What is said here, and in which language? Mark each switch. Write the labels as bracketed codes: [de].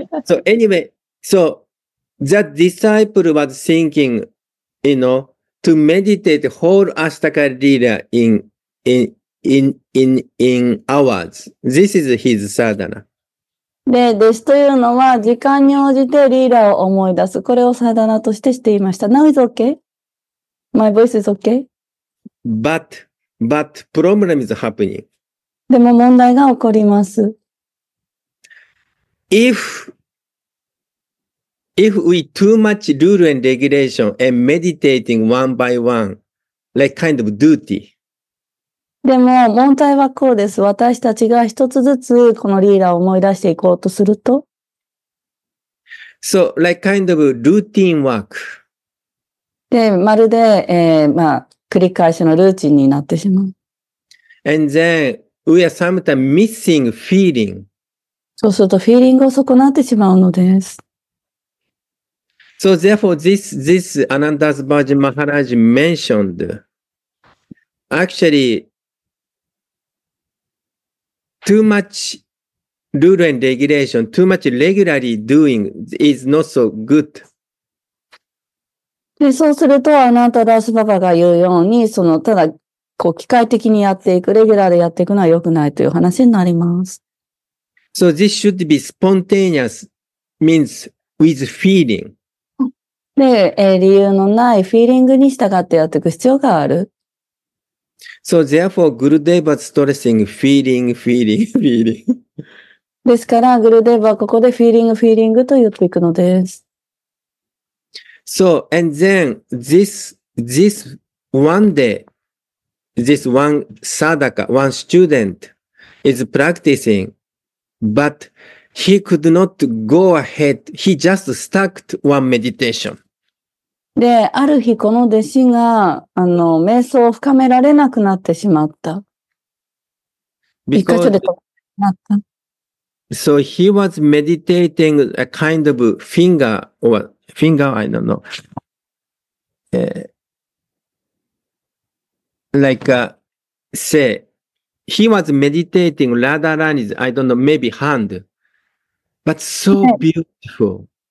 [en] So anyway, That disciple was thinking, you know, to meditate whole Ashtaka Lila in hours. This is his sadhana. [ja] で、弟子というのは時間に応じてリーラーを思い出す。これをサダナとしてしていました。 [en] Now is okay? My voice is okay? But problem is happening. [ja] でも問題が起こります。 [en] If we too much rule and regulation and meditating one by one, like kind of duty. [ja] でも問題はこうです。私たちが一つずつこのリーダーを思い出していこうとすると。 [en] So, like kind of routine work. [ja] で、まるで、繰り返しのルーチンになってしまう。 [en] And then, we are sometimes missing feeling. [ja] そうすると、フィーリングを損なってしまうのです。 [en] So therefore, this Anandas Bhaji Maharaj mentioned, actually, too much rule and regulation, too much regularly doing is not so good. [ja] で、そうすると、Anandas Bhaji が言うように、ただ、機械的にやっていく、レギュラーでやっていくのは良くないという話になります。 [en] So this should be spontaneous, means with feeling. [ja] で、理由のないフィーリングに従ってやっていく必要がある。 [en] So therefore, Gurudev was stressing feeling, feeling, feeling. [ja] ですから、Gurudev はここでフィーリング、フィーリングと言っていくのです。 [en] So, and then, this one day, this one sadaka, one student is practicing, but he could not go ahead. He just stuck to one meditation. [ja] で、ある日この弟子が、瞑想を深められなくなってしまった。 [en] Because, [ja] 一箇所で止まった。 [en] So he was meditating a kind of finger, or finger, I don't know. He was meditating Radharani's, I don't know, maybe hand. But so beautiful.